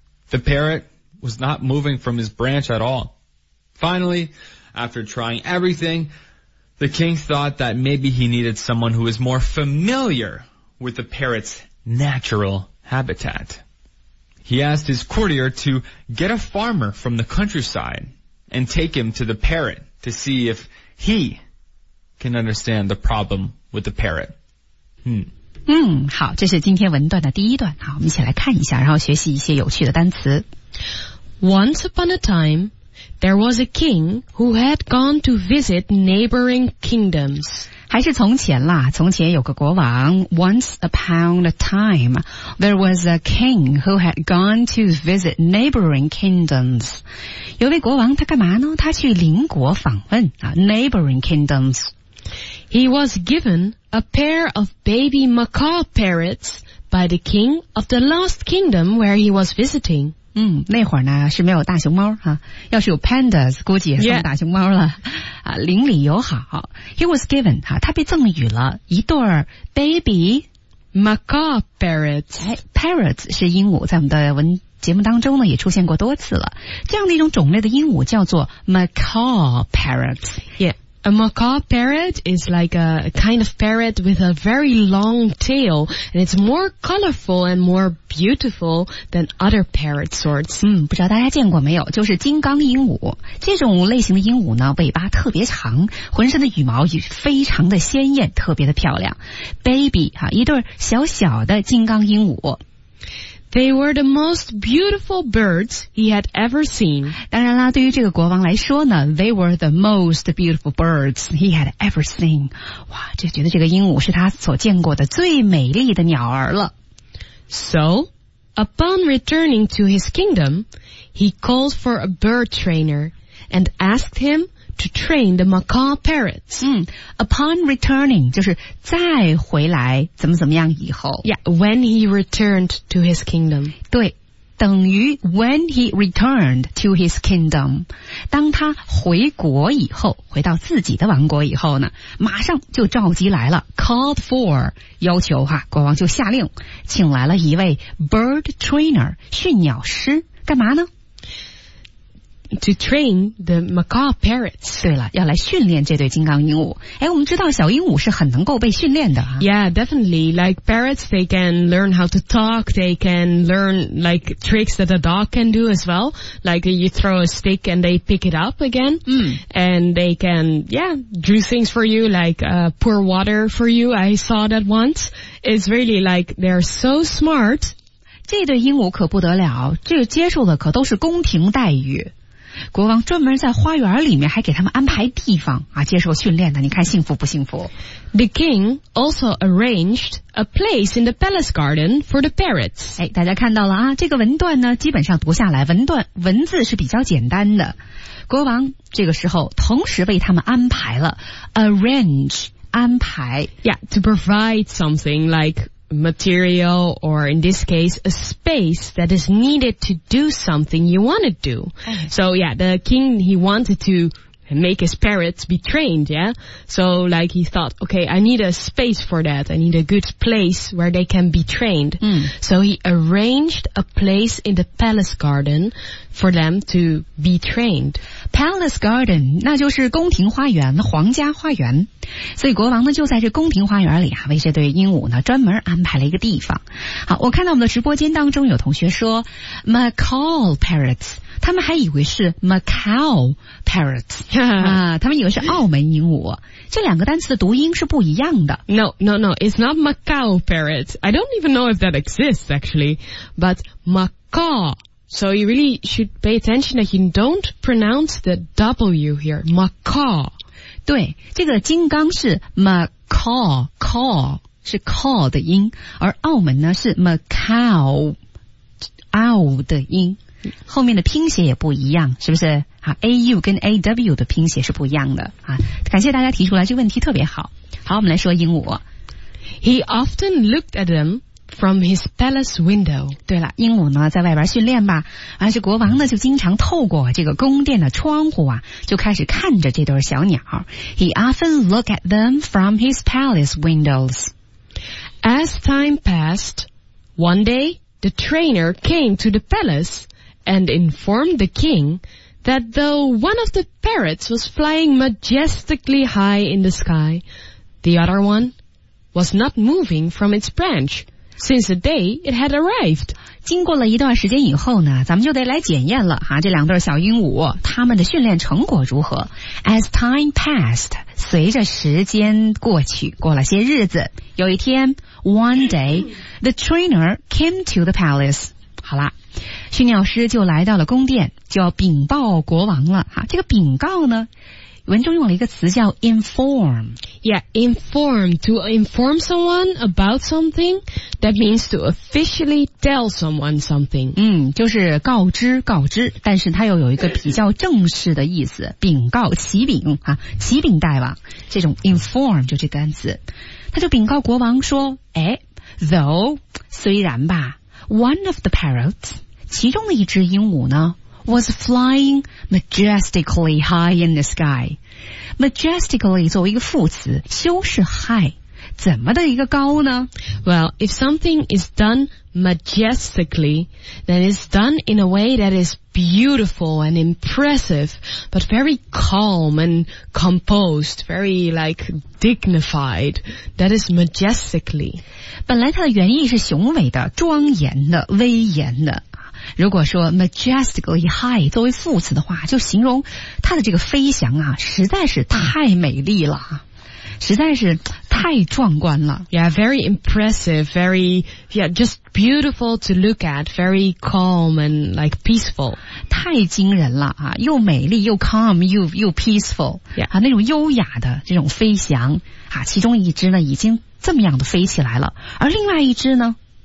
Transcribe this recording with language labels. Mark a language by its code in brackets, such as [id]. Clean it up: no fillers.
[en] The parrot was not moving from his branch at all. Finally, after trying everything, the king thought that maybe he needed someone who was more familiar with the parrot's natural habitat. He asked his courtier to get a farmer from the countryside and take him to the parrot to see if he... can understand the problem with the parrot. [zh] 好，这是今天文段的第一段。好，我们一起来看一下，然后学习一些有趣的单词。 [en] Once upon a time, there was a king who had gone to visit neighboring kingdoms. [zh] 还是从前啦，从前有个国王。 [en] Once upon a time, there was a king who had gone to visit neighboring kingdoms. [zh] 有位国王，他干嘛呢？他去邻国访问啊 ， [en] neighboring kingdoms. He was given a pair of baby macaw parrots by the king of the last kingdom where he was visiting. [zh] 那会儿呢是没有大熊猫啊，要是有 pandas 估计也送大熊猫了、 [en] yeah. [zh] 啊，邻里友好。 [en] He was given [zh] 啊，他被赠予了一对 baby [en] macaw parrots. [zh] Parrots 是鹦鹉，在我们的文节目当中呢也出现过多次了。这样的一种种类的鹦鹉叫做 macaw parrots. [en] Yeah. A macaw parrot is like a kind of parrot with a very long tail, and it's more colorful and more beautiful than other parrot sorts. [zh] 不知道大家见过没有，就是金刚鹦鹉。这种类型的鹦鹉呢，尾巴特别长，浑身的羽毛也非常的鲜艳，特别的漂亮。 Baby, 一对小小的金刚鹦鹉。 [en] They were the most beautiful birds he had ever seen. [zh] 当然啦，对于这个国王来说呢 [en] ,they were the most beautiful birds he had ever seen. [zh] 哇，就觉得这个鹦鹉是他所见过的最美丽的鸟儿了。 [en] So, upon returning to his kingdom, he called for a bird trainer and asked him to train the macaw parrots. Upon returning, [zh] 就是再回来怎么怎么样以后。 [en] Yeah, when he returned to his kingdom. [zh] 对，等于 [en] when he returned to his kingdom. [zh] 当他回国以后，回到自己的王国以后呢，马上就召集来了 [en] called for, [zh] 要求哈，国王就下令，请来了一位 [en] bird trainer, [zh] 驯鸟师，干嘛呢？ [en] To train the macaw parrots. [zh] 对了，要来训练这对金刚鹦鹉。诶，我们知道小鹦鹉是很能够被训练的啊。 [en] Yeah, definitely. Like parrots, they can learn how to talk. They can learn like tricks that a dog can do as well. Like you throw a stick and they pick it up again. And they can, yeah, do things for you, like pour water for you. I saw that once. It's really like they're so smart. [zh] 这对鹦鹉可不得了，这接受的可都是宫廷待遇。国王专门在花园里面还给他们安排地方啊，接受训练的。你看幸福不幸福 [en] ？The king also arranged a place in the palace garden for the parrots。 [zh] 哎，大家看到了啊，这个文段呢，基本上读下来，文字是比较简单的。国王这个时候同时为他们安排了 arrange 安排 [en] ，yeah， to provide something like。 Material, or in this case, a space that is needed to do something you want to do. So, yeah, the king, he wanted to make his parrots be trained, yeah? So, like, he thought, okay, I need a space for that. I need a good place where they can be trained. So he arranged a place in the palace garden for them to be trained. [zh] Palace garden, 那就是宫廷花园，皇家花园。所以国王呢就在这宫廷花园里啊，为这对鹦鹉呢专门安排了一个地方。好，我看到我们的直播间当中有同学说 Macaw parrots， 他们还以为是 Macau parrots 、他们以为是澳门鹦鹉，这两个单词的读音是不一样的。 [en] No, it's not Macaw parrots. I don't even know if that exists actually, but Macaw. So you really should pay attention that you don't pronounce the W here. Macaw. [zh] 对，这个金刚是 Macaw， Caw 是 Caw 的音，而澳门呢是 Macau， Au 的音，后面的拼写也不一样，是不是？啊 ，AU 跟 AW 的拼写是不一样的啊。感谢大家提出来，这个问题特别好。好，我们来说鹦鹉。 [en] He often looked at them from his palace window. [zh] 对了，鹦鹉呢在外边训练吧，而且国王呢就经常透过这个宫殿的窗户啊，就开始看着这对小鸟。 [en] He often looked at them from his palace windows. As time passed, one day the trainer came to the palace and informed the king that though one of the parrots was flying majestically high in the sky, the other one was not moving from its branch. Since the day it had arrived. [zh] 经过了一段时间以后呢，咱们就得来检验了哈，这两对小鹦鹉他们的训练成果如何。 [en] As time passed, [zh] 随着时间过去，过了些日子，有一天 [en] ,one day, the trainer came to the palace. [zh] 好啦，训练师就来到了宫殿，就要禀报国王了哈。这个禀告呢，文中用了一个词叫 inform. [en] Yeah, inform. To inform someone about something, that means to officially tell someone something. [zh] 嗯，就是告知告知，但是它又有一个比较正式的意思，禀告启禀啊，启禀大王，这种 inform 就这单词。他就禀告国王说，哎 [en] ,though, [zh] 虽然吧 [en] ,one of the parrots, [zh] 其中的一只鹦鹉呢 [en] was flying majestically high in the sky. [zh] Majestically 作为一个副词，修饰 high， 怎么的一个高呢？ [en] Well, if something is done majestically, then it's done in a way that is beautiful and impressive, but very calm and composed, very like dignified. That is majestically. [zh] 本来它的原意是雄伟的、庄严的、威严的。如果说 majestically high 作为副词的话，就形容它的这个飞翔啊，实在是太美丽了，实在是太壮观了。 [en] Yeah, very impressive, very, yeah, just beautiful to look at, very calm and like peaceful. [zh] 太惊人了啊，又美丽又 calm 又 peaceful. [en] Yeah. [zh] 啊，那种优雅的这种飞翔啊，其中一只呢已经这么样的飞起来了，而另外一只呢